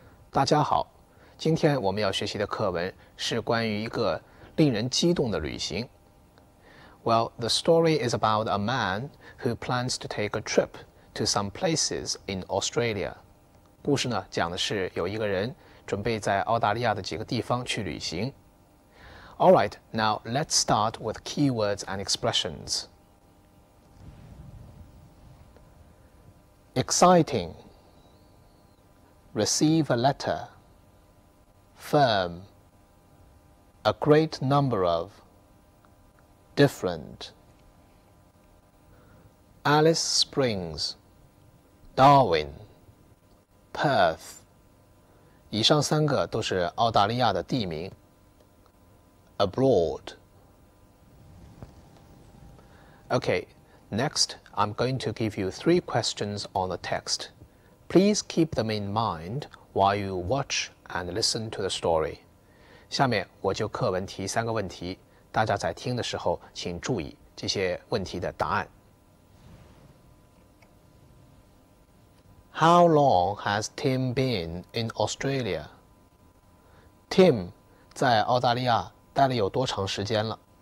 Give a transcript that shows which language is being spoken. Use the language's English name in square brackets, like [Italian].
[Chinese] 大家好，今天我们要学习的课文是关于一个令人激动的旅行。 [English] Well, the story is about a man who plans to take a trip to some places in Australia. [Chinese] 故事呢，讲的是有一个人准备在澳大利亚的几个地方去旅行。 [English] Alright, now let's start with keywords and expressions. Exciting. Receive a letter. Firm. A great number of. Different. Alice Springs. Darwin. Perth. [Chinese] 以上三个都是澳大利亚的地名。 [English] Abroad. Okay, next I'm going to give you three questions on the text. Please keep them in mind while you watch and listen to the story. [Chinese] 下面我就课文提三个问题，大家在听的时候请注意这些问题的答案。 [English] How long has Tim been in Australia? [Chinese] Tim 在澳大利亚待了有多长时间了？